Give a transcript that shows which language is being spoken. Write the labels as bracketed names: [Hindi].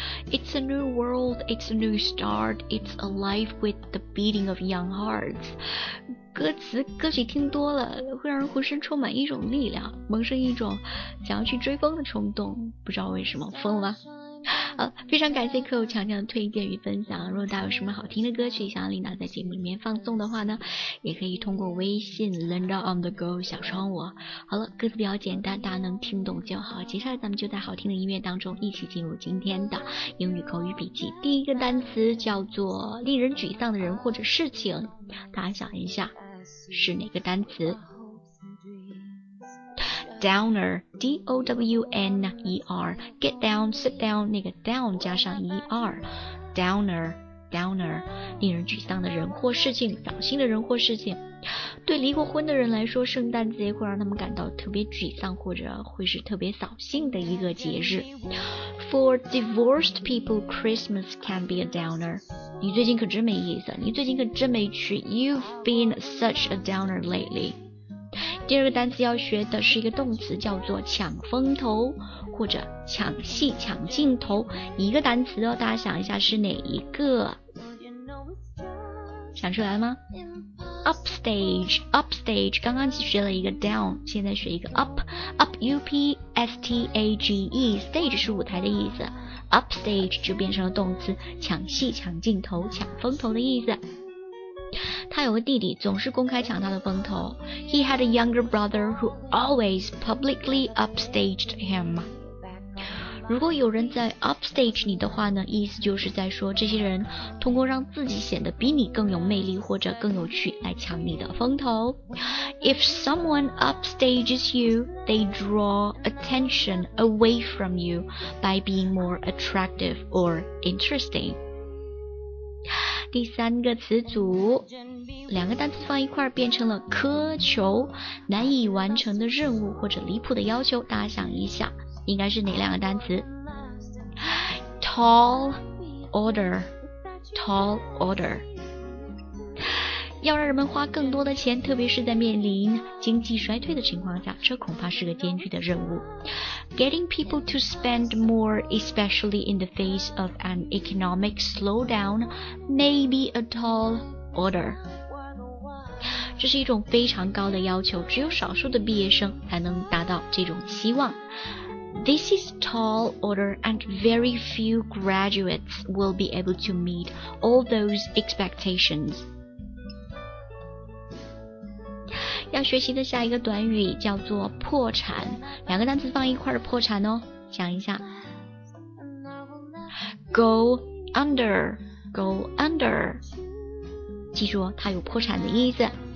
[English] It's a new world, it's a new start, it's alive with the beating of young hearts. [Chinese] 歌词歌曲听多了会让人浑身充满一种力量，萌生一种想要去追风的冲动，不知道为什么疯了。非常感谢客户强强的推荐与分享，如果大家有什么好听的歌曲想要琳达在节目里面放送的话呢，也可以通过微信 Linda on the go 小窗我。好了，歌词比较简单，大家能听懂就好，接下来咱们就在好听的音乐当中一起进入今天的英语口语笔记。第一个单词叫做令人沮丧的人或者事情，大家想一下是哪个单词。 Downer, D-O-W-N-E-R, [English] get down, sit down, [Chinese] 那个 down 加上 E-R, Downer, Downer, 令人沮丧的人或事情，扫兴的人或事情。对离过婚的人来说，圣诞节会让他们感到特别沮丧，或者会是特别扫兴的一个节日。 [English] For divorced people, Christmas can be a downer. [Chinese] 你最近可真没意思，你最近可真没趣。 [English] You've been such a downer lately. [Chinese] 第二个单词要学的是一个动词，叫做抢风头或者抢戏抢镜头，一个单词哦，大家想一下是哪一个，想出来吗？ Upstage, upstage, 刚刚学了一个 down, 现在学一个 up, up, U-P-S-T-A-G-E, stage 是舞台的意思， upstage 就变成了动词，抢戏抢镜头抢风头的意思。他有个弟弟总是公开抢他的风头， [English] He had a younger brother who always publicly upstaged him. [Chinese] 如果有人在 upstage 你的话呢，意思就是在说这些人通过让自己显得比你更有魅力或者更有趣来抢你的风头。 [English] If someone upstages you, they draw attention away from you by being more attractive or interesting. [Chinese] 第三个词组，两个单词放一块变成了苛求，难以完成的任务或者离谱的要求，大家想一下应该是哪两个单词。 Tall order, tall order, 要让人们花更多的钱，特别是在面临经济衰退的情况下，这恐怕是个艰巨的任务。 [English] Getting people to spend more, especially in the face of an economic slowdown, may be a tall order. [Chinese] 这是一种非常高的要求，只有少数的毕业生才能达到这种期望。 [English] This is tall order and very few graduates will be able to meet all those expectations. [Chinese] 要学习的下一个短语叫做破产，两个单词放一块的破产哦，想一下。 Go under, go under. 记住它有破产的意思。